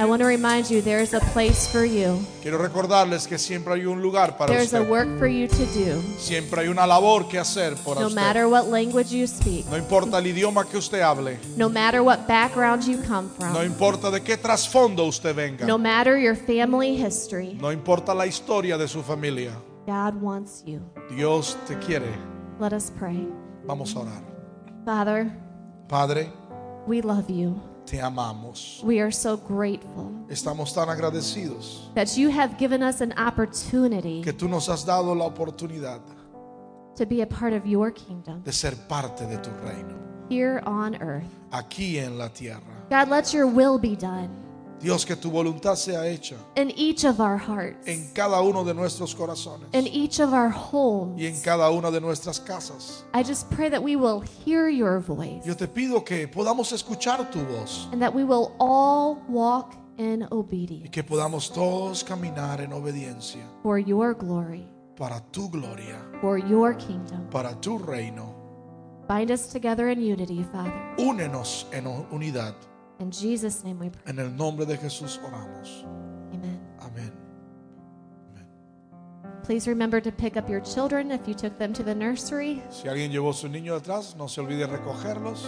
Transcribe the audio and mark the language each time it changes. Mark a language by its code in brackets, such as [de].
[en] I want to remind you there is a place for you. [es] Quiero recordarles que siempre hay un lugar para [en] There's [es] usted. [en] A work for you to do. [es] Siempre hay una labor que hacer por [en] no [es] usted. [en] Matter what language you speak. [es] No importa el idioma que usted hable. [en] No matter what background you come from. [es] No importa de qué trasfondo usted venga. [en] No matter your family history. [es] No importa la historia de su familia. [en] God wants you. [es] Dios te quiere. [en] Let us pray. [es] Vamos a orar. [en] Father. [es] Padre. [en] We love you. [es] Te amamos. [en] We are so grateful. [es] Estamos tan agradecidos. [en] That you have given us an opportunity. [es] Que tú nos has dado la oportunidad. [en] To be a part of your kingdom. [es] De ser parte de tu reino. [en] Here on earth. [es] Aquí en la tierra. [en] God, let your will be done. [es] Dios, que tu voluntad sea hecha [en] in each of our hearts, [es] en cada uno de nuestros corazones, [en] in each of our homes, [es] y en cada una de nuestras casas. [en] I just pray that we will hear your voice, [es] yo te pido que podamos escuchar tu voz, [en] and that we will all walk in obedience, [es] y que podamos todos caminar en obediencia, [en] for your glory, [es] para tu gloria, [en] for your kingdom, [es] para tu reino. [en] Bind us together in unity, Father. [es] Únenos en unidad. [en] In Jesus' name we pray. [es] En el nombre de Jesús oramos. [en] Amen. [es] Amen. [en] Amen. Please remember to pick up your children if you took them to the nursery. [es] Si alguien llevó su niño atrás, no se olvide recogerlos.